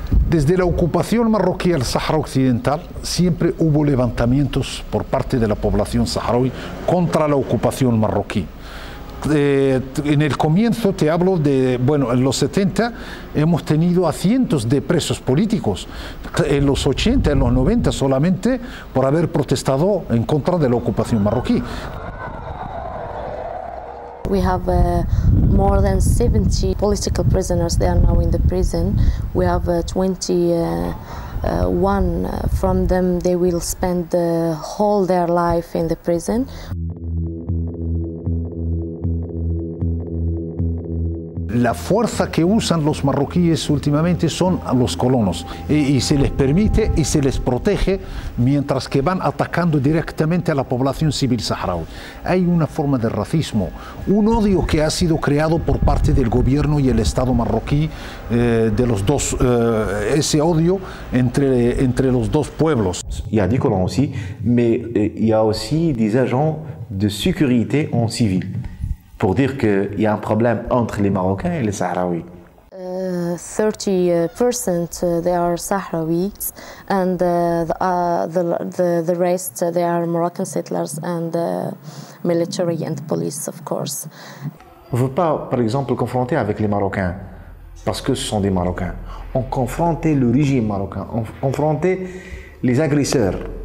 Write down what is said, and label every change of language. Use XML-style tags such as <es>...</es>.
<es>Desde la ocupación marroquí al Sahara Occidental, siempre hubo levantamientos por parte de la población saharaui contra la ocupación marroquí. En el comienzo te hablo de, bueno, en los 70 hemos tenido a cientos de presos políticos, en los 80, en los 90 solamente por haber protestado en contra de la ocupación marroquí.</es> <en>We have more than 70 political prisoners, they are now in the prison. We have 20, one from them, they will spend the whole their life in the prison.</en> <es>La fuerza que usan los marroquíes últimamente son los colonos y se les permite y se les protege mientras que van atacando directamente a la población civil saharaui. Hay una forma de racismo, un odio que ha sido creado por parte del gobierno y el Estado marroquí de los dos, ese odio entre los dos pueblos. Y hay colonos</es> <fr>aussi, mais il y a aussi des agents de sécurité en civil. Pour dire qu'il y a un problème entre les Marocains et les Sahraouis.</fr> <en>30% they are Sahraouis and the rest they are Moroccan settlers and military and police of course.</en> <fr>On ne veut pas par exemple confronter avec les Marocains parce que ce sont des Marocains. On confrontait le régime marocain, on confrontait les agresseurs.</fr>